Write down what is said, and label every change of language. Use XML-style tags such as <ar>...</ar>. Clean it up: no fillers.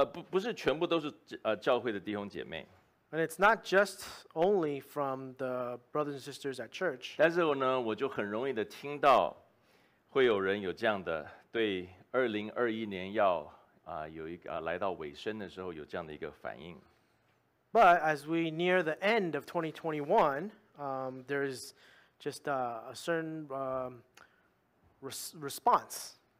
<zh>不是全部都是教会的弟兄姐妹。And</zh> <en>it's not just only from the brothers and sisters at church.</en> <zh>但是我呢，我就很容易的听到会有人有这样的对2021年要 有一个来到尾声的时候有这样的一个反应。</zh> <en>But as we near the end of 2021, there is just a certain response.</en>